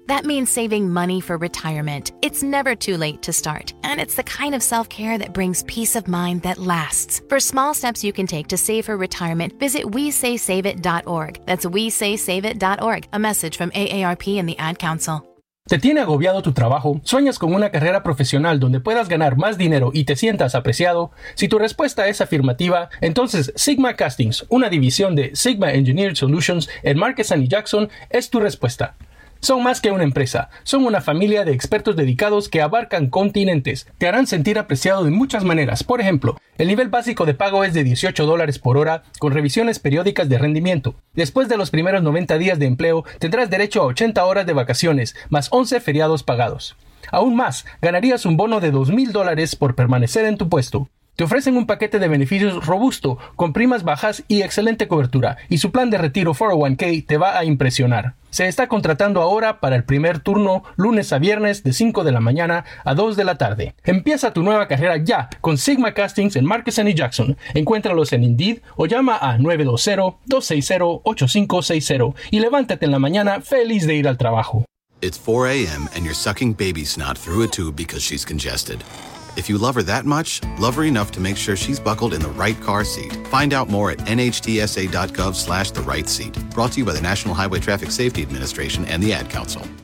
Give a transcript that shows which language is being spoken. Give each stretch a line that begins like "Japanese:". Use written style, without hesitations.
English: That means saving money for retirement. It's never too late to start. And it's the kind of self-care that brings peace of mind that lasts. For small steps you can take to save for retirement, visit WeSaySaveIt.org. That's WeSaySaveIt.org. A message from AARP and the Ad Council.
Spanish: ¿Te tiene agobiado tu trabajo? ¿Sueñas con una carrera profesional donde puedas ganar más dinero y te sientas apreciado? Si tu respuesta es afirmativa, entonces Sigma Castings, una división de Sigma Engineered Solutions en Marquesan y Jackson, es tu respuesta. Son más que una empresa, son una familia de expertos dedicados que abarcan continentes. Te harán sentir apreciado de muchas maneras. Por ejemplo, el nivel básico de pago es de $18 por hora con revisiones periódicas de rendimiento. Después de los primeros 90 días de empleo, tendrás derecho a 80 horas de vacaciones, más 11 feriados pagados. Aún más, ganarías un bono de $2,000 por permanecer en tu puesto. Te ofrecen un paquete de beneficios robusto, con primas bajas y excelente cobertura, y su plan de retiro 401k te va a impresionar. Se está contratando ahora para el primer turno, lunes a viernes, de 5 de la mañana a 2 de la tarde. Empieza tu nueva carrera ya con Sigma Castings en Marquesan y Jackson. Encuéntralos en Indeed o llama a 920-260-8560 y levántate en la mañana feliz de ir al trabajo.
English: It's 4 a.m. and you're sucking baby snot through a tube because she's congested. If you love her that much, love her enough to make sure she's buckled in the right car seat. Find out more at nhtsa.gov/the right seat. Brought to you by the National Highway Traffic Safety Administration and the Ad Council.